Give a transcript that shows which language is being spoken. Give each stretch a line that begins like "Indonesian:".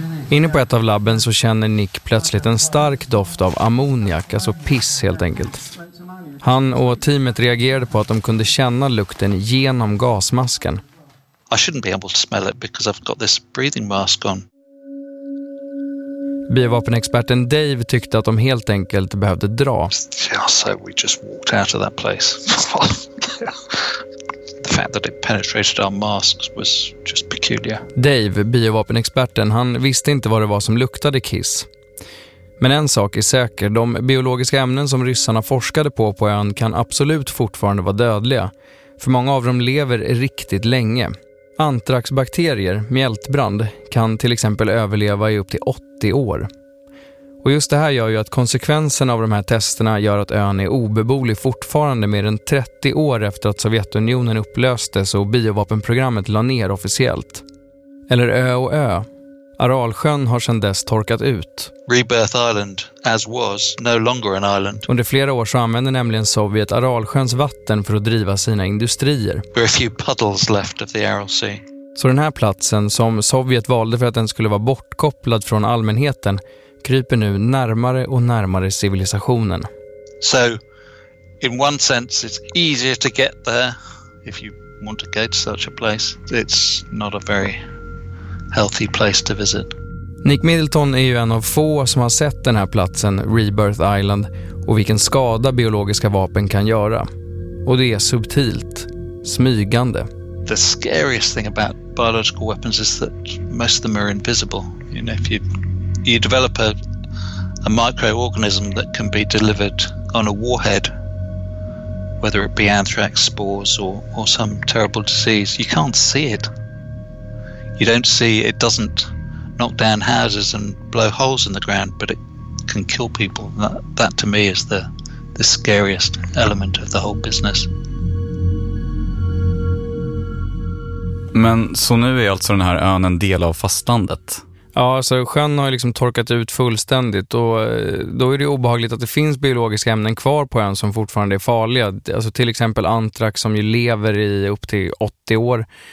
Swedish: Inne på ett av labben så känner Nick plötsligt en stark doft av ammoniak, alltså piss helt enkelt. Han och teamet reagerade på att de kunde känna lukten genom gasmasken.
English: I shouldn't be able to smell it because I've got this breathing mask on.
Swedish: Biovapenexperten Dave tyckte att de helt enkelt behövde dra.
English: Yeah, so we just walked out of that place. The fact that it penetrated our masks was just peculiar.
Swedish: Dave, biovapenexperten, han visste inte vad det var som luktade kiss. Men en sak är säker, de biologiska ämnen som ryssarna forskade på ön kan absolut fortfarande vara dödliga. För många av dem lever riktigt länge. Antraxbakterier, mjältbrand, kan till exempel överleva i upp till 80 år. Och just det här gör ju att konsekvenserna av de här testerna gör att ön är obeboelig fortfarande mer än 30 år efter att Sovjetunionen upplöstes och biovapenprogrammet la ner officiellt. Eller ö och ö. Aralsjön har sedan dess torkat ut.
English: Rebirth Island, as was, no longer an island.
Swedish: Under flera år så använde nämligen Sovjet Aralsjöns vatten för att driva sina industrier.
English: There are a few puddles left of the Aral Sea.
Swedish: Så den här platsen som Sovjet valde för att den skulle vara bortkopplad från allmänheten kryper nu närmare och närmare civilisationen.
English: So, in one sense it's easier to get there if you want to go to such a place. It's not a very healthy place to visit.
Swedish: Nick Middleton är ju en av få som har sett den här platsen, Rebirth Island, och vilken skada biologiska vapen kan göra. Och det är subtilt, smygande.
English: The scariest thing about biological weapons is that most of them are invisible. You know, if you develop a microorganism that can be delivered on a warhead, whether it be anthrax spores or some terrible disease, you can't see it. You don't see it doesn't knock down houses and blow holes in the ground, but it can kill people. That to me is the scariest element of the whole business.
Swedish: Men så nu är alltså den här ön en del av fastlandet. Ja, så sjön har liksom torkat ut fullständigt och då är det obehagligt att det finns biologiska ämnen kvar på ön som fortfarande är farliga. Alltså till exempel antrax som ju lever i upp till 80 år.